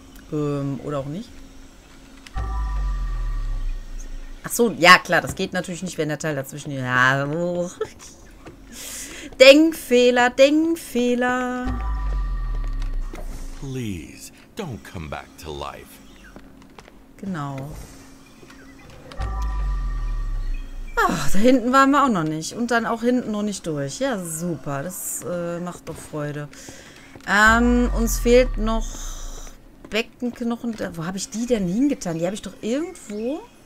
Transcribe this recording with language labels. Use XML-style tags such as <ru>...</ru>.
<de>Oder auch nicht. Ach so, ja klar, das geht natürlich nicht, wenn der Teil dazwischen... Ja. Denkfehler, Denkfehler.</de> <en>Please, don't come back to life.</en> <de>Genau. Ach, da hinten waren wir auch noch nicht. Und dann auch hinten noch nicht durch. Ja, super. Das macht doch Freude. Uns fehlt noch Beckenknochen. Wo habe ich die denn hingetan? Die habe ich doch irgendwo.</de>